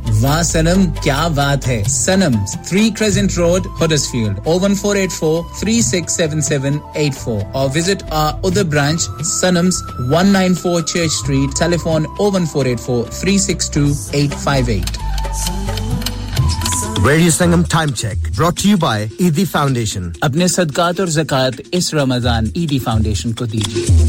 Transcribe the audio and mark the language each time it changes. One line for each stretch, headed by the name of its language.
Urdu: واہ سنم کیا بات ہے سنم 3 کریسنٹ روڈ ہڈسفیلڈ 01484-367784 اور
English: visit our
Urdu: either branch Sunnams 194 Church Street telephone 01484-362-858
English: Radio Sangam Time Check brought to you by Eidi Foundation
Urdu: اپنے صدقات اور زکاة اس رمضان Eidi Foundation کو دیجئے